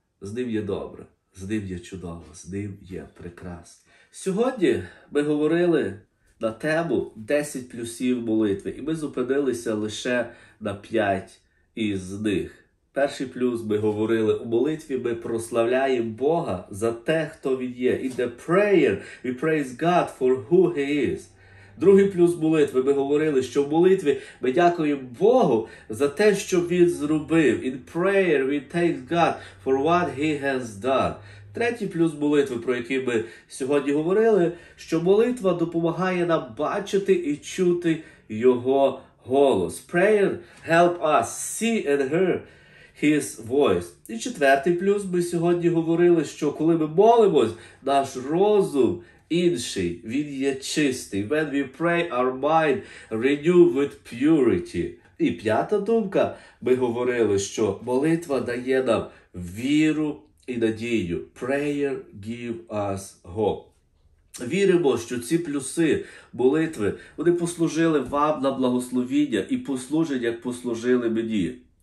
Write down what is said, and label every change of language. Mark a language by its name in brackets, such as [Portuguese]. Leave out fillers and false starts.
[Ukrainian] З ним є добре, з ним є чудово, з ним є прекрасно. Сьогодні ми говорили на тему 10 плюсів молитви. І ми зупинилися лише на 5 із них. Перший плюс, ми говорили, у молитві ми прославляємо Бога за те, хто Він є. [English] In the prayer, we praise God for who He is. [Ukrainian] Другий плюс молитви, ми говорили, що в молитві ми дякуємо Богу за те, що Він зробив. [English] In prayer, we thank God for what He has done. [Ukrainian] Третій плюс молитви, про який ми сьогодні говорили, що молитва допомагає нам бачити і чути Його голос. [English] Prayer help us see and hear His voice. [Ukrainian] І четвертий плюс, ми сьогодні говорили, що коли ми молимось, наш розум інший, він є чистий. [English] When we pray, our mind renew with purity. [Ukrainian] І п'ята думка, ми говорили, що молитва дає нам віру і надію. [English] Prayer give us hope. [Ukrainian] Віримо, що ці плюси молитви, вони послужили вам на благословіння і послужать, як послужили мені.